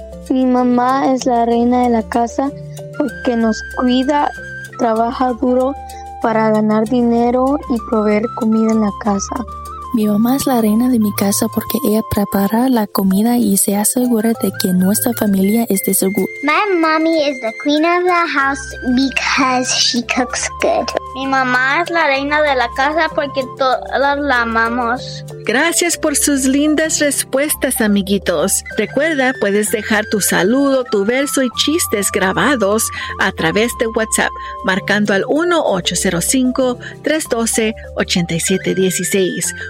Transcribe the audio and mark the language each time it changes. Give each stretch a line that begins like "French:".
Spanish: Mi mamá es la reina de la casa porque nos cuida, trabaja duro para ganar dinero y proveer comida en la casa. Mi mamá es la reina de mi casa porque ella prepara la comida y se asegura de que nuestra familia esté segura.
English: My mommy is the queen of the house because she cooks good.
Spanish: Mi mamá es la reina de la casa porque todos la amamos. Gracias por sus lindas respuestas, amiguitos. Recuerda, puedes dejar tu saludo, tu verso y chistes grabados a través de WhatsApp, marcando al 1-805-312-8716.